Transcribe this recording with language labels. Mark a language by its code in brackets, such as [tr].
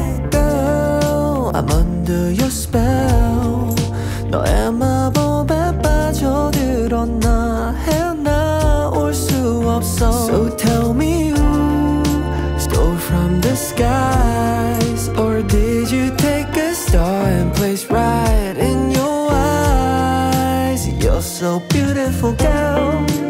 [en] Girl I'm under your spell. [ko] 너의 마법에 빠져들어 나 해나올 수 없어. [en] So tell me who stole from the skies. Or did you take a star and place right in your eyes. You're so beautiful girl.